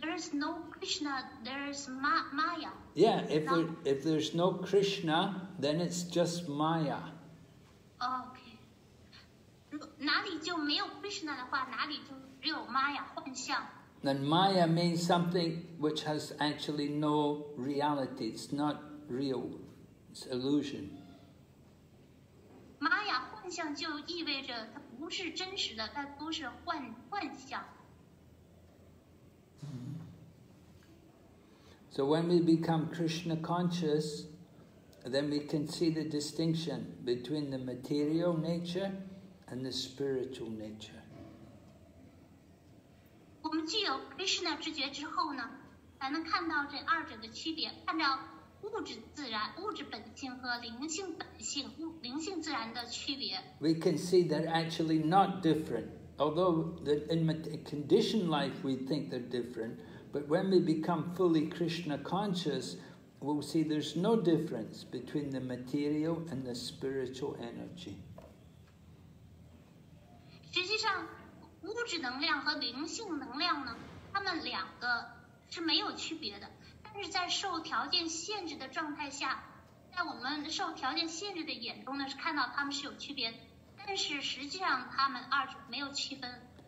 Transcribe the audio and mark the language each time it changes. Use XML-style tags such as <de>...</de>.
<en>there's no Krishna, then it's just Maya. Okay. Then Maya means something which has actually no reality. It's not real. It's illusion.</en> <zh>Maya 幻象就意味着它不是真实的，它都是幻象。</zh> <en>So when we become Krishna conscious, then we can see the distinction between the material nature and the spiritual nature.</en> <zh>我们具有 Krishna 知觉之后呢，才能看到这二者的区别，看到物质自然、物质本性和灵性本性、灵性自然的区别。</zh> <en>We can see they're actually not different, although in conditioned life we think they're different. But when we become fully Krishna conscious, we'll see there's no difference between the material and the spiritual energy.</en> <zh>实际上，物质能量和灵性能量呢，它们两个是没有区别的。但是在受条件限制的状态下，在我们受条件限制的眼中呢，是看到它们是有区别的。但是实际上，它们二者没有区分。</zh>